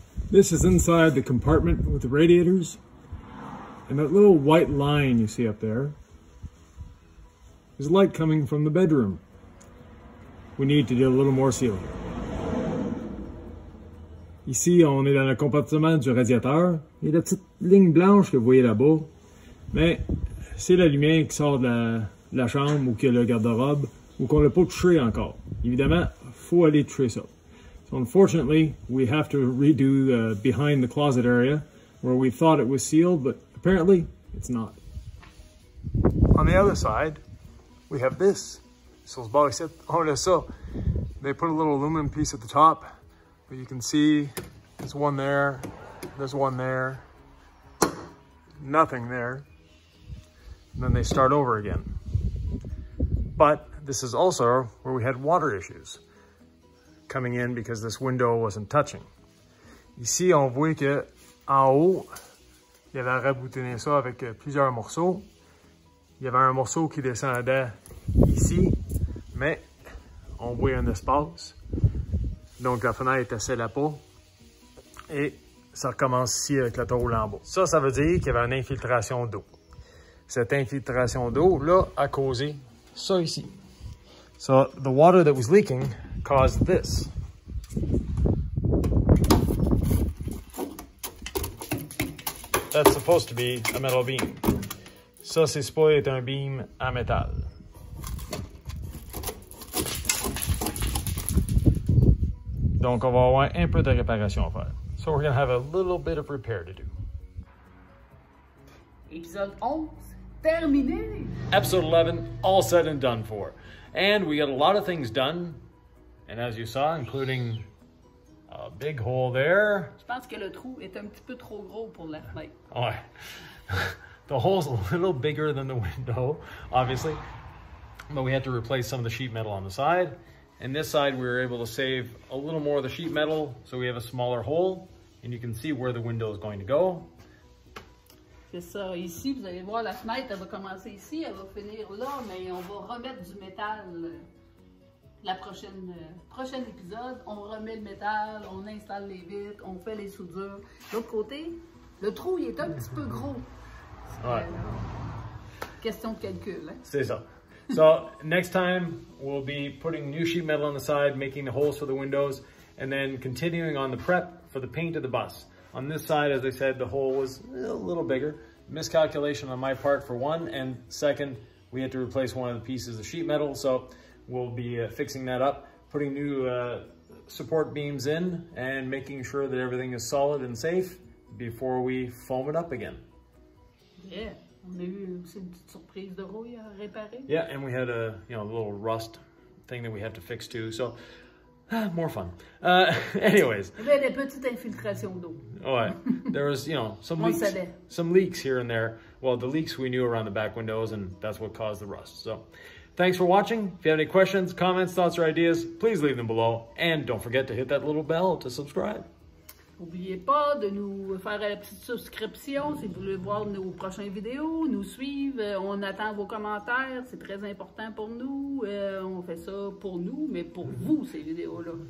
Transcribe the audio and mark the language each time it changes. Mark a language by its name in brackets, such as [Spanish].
[English] This is inside the compartment with the radiators. And that little white line you see up there is light coming from the bedroom. We need to do a little more sealing. [French] Ici, on est dans le compartiment du radiateur. Il y a la petite ligne blanche que vous voyez là-bas. Mais c'est la lumière qui sort de la chambre ou qui est le garde-robe ou qu'on ne l'a pas touché encore. Évidemment, il faut aller toucher ça. [English] Unfortunately, we have to redo the behind the closet area where we thought it was sealed, but apparently it's not. On the other side, we have this. So it's about except, oh, so they put a little aluminum piece at the top, but you can see there's one there, nothing there. And then they start over again. But this is also where we had water issues coming in because this window wasn't touching. [French] Ici, on voit que en haut, il avait raboutonné ça avec plusieurs morceaux. Il y avait un morceau qui descendait ici, mais on voit un espace. Donc la fenêtre était scellée à peau. Et ça recommence ici avec la tôle en bas. Ça, ça veut dire qu'il y avait une infiltration d'eau. Cette infiltration d'eau, là, a causé ça ici. [English] So, the water that was leaking caused this. That's supposed to be a metal beam. [French] Ça, c'est supposé être un beam en métal. Donc, on va avoir un peu de réparation à faire. [English] So, we're going to have a little bit of repair to do. [French] Episode 11, terminé! [English] Episode 11, all said and done for. And we got a lot of things done. And as you saw, including a big hole there. [French] Je pense que le trou est un petit peu trop gros pour la fenêtre. Ouais. [English] The hole's a little bigger than the window, obviously. But we had to replace some of the sheet metal on the side. And this side, we were able to save a little more of the sheet metal, so we have a smaller hole, and you can see where the window is going to go. [French] C'est ça. Ici, vous allez voir la fenêtre. Elle va commencer ici, elle va finir là, mais on va remettre du métal. La prochaine épisode, on remet le métal, on installe les vitres, on fait les soudures. L'autre côté, le trou, il est un petit peu gros. Question de calcul. Hein? C'est ça. [English] So, next time, we'll be putting new sheet metal on the side, making the holes for the windows, and then continuing on the prep for the paint of the bus. On this side, as I said, the hole was a little bigger. Miscalculation on my part for one, and second, we had to replace one of the pieces of sheet metal, so we'll be fixing that up, putting new support beams in, and making sure that everything is solid and safe before we foam it up again. Yeah. [French] On a eu aussi une petite surprise de rouille à réparer. [English] Yeah, and we had a, you know, a little rust thing that we had to fix too. So, more fun. Anyways. [French] Il y avait des petites infiltrations d'eau. [English] Ouais. There was, you know, some leaks. [French] On savait. [English] Some leaks here and there. Well, the leaks we knew around the back windows, and that's what caused the rust. So, thanks for watching. If you have any questions, comments, thoughts, or ideas, please leave them below. And don't forget to hit that little bell to subscribe. [French] N'oubliez pas de nous faire la petite subscription si vous voulez voir nos prochaines vidéos, nous suivre. On attend vos commentaires, c'est très important pour nous. On fait ça pour nous, mais pour vous, ces vidéos-là.